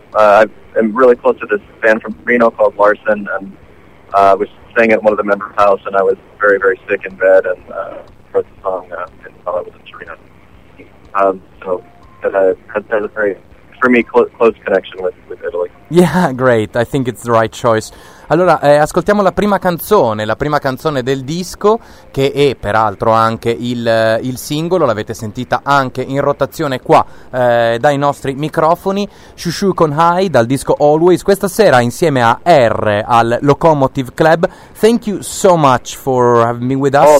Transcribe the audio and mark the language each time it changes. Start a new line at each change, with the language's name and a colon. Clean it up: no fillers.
English: I'm really close to this band from Reno called Larson, and I was staying at one of the members' house, and I was very, very sick in bed, and wrote the song while I was in Torino. So that's a very, for me, close connection with Italy. Yeah, great. I think it's the right choice.
Italian: Allora, ascoltiamo la prima canzone del disco, che è peraltro anche il singolo, l'avete sentita anche in rotazione qua dai nostri microfoni, Shushu con High dal disco Always, questa sera insieme a R al Locomotive Club.
English: Thank you so much for having been with us.